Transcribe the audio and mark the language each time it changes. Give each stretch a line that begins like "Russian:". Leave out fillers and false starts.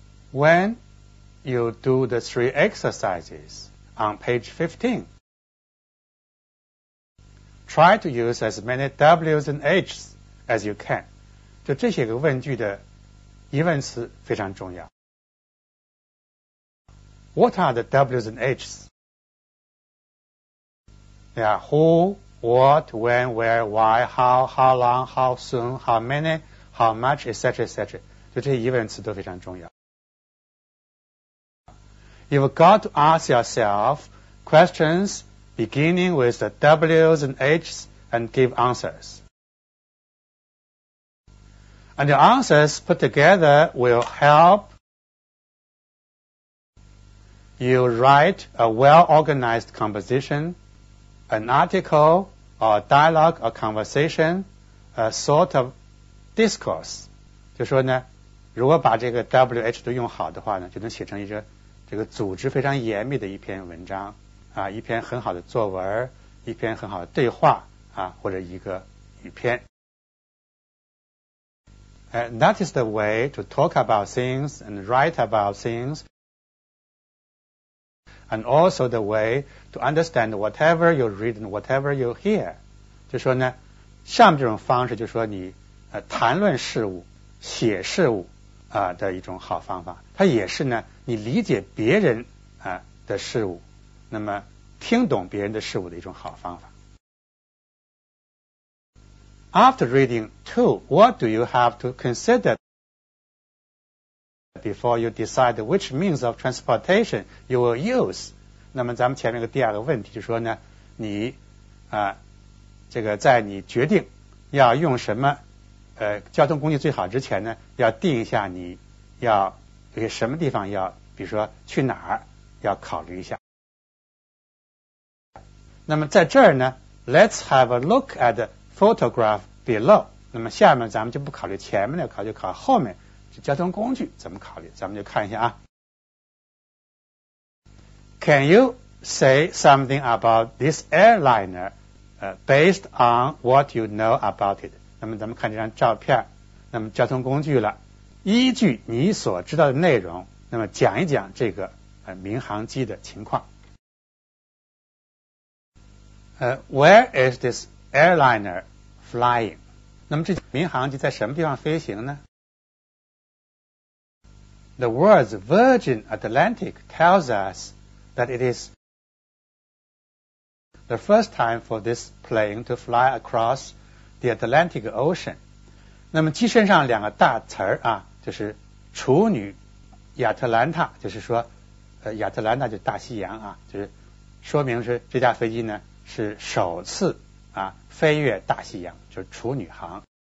English: When you do the three exercises on page 15, try to use as many W's and H's as you can.
Chinese: 就这些个问句的疑问词非常重要。
English: What are the W's and H's? They are who, what, when, where, why, how long, how soon, how many, how much, etc., etc.
Chinese: 就这些疑问词都非常重要。
English: You've got to ask yourself questions beginning with the W's and H's and give answers. And your answers put together will help you write a well-organized composition, an article, or a dialogue, or conversation, a sort of discourse.
Chinese: 就说呢，如果把这个 WH 都用好的话呢，就能写成一个这个组织非常严密的一篇文章啊，一篇很好的作文，一篇很好的对话啊，或者一个语篇。
English: And that is the way to talk about things and write about things. And also the way to understand whatever you read and whatever you hear.
Chinese: 就说呢，像这种方式就说你谈论事物、写事物的一种好方法。它也是呢，你理解别人的事物，那么听懂别人的事物的一种好方法。
English: After reading two, what do you have to consider? Before you decide which means of transportation you will use.
Chinese: 那么咱们前面的第二个问题就是说呢，你这个在你决定要用什么交通工具最好之前呢，要定一下你要有什么地方要，比如说去哪儿要考虑一下。那么在这儿呢，
English: Let's have a look at the photograph below.
Chinese: 那么下面咱们就不考虑前面的，考虑考后面交通工具怎么考虑，咱们就看一下啊。
English: Can you say something about this airliner, based on what you know about it?
Chinese: 那么咱们看这张照片，那么交通工具了，依据你所知道的内容，那么讲一讲这个民航机的情况。
English: Where is this airliner flying?
Chinese: 那么这民航机在什么地方飞行呢？
English: The words Virgin Atlantic tells us that it is the first time for this plane to fly across the Atlantic Ocean.
Chinese: 那么机身上两个大词儿啊，就是处女亚特兰塔，就是说亚特兰塔就是大西洋啊，就是说明是这架飞机呢是首次啊飞越大西洋，就是处女航。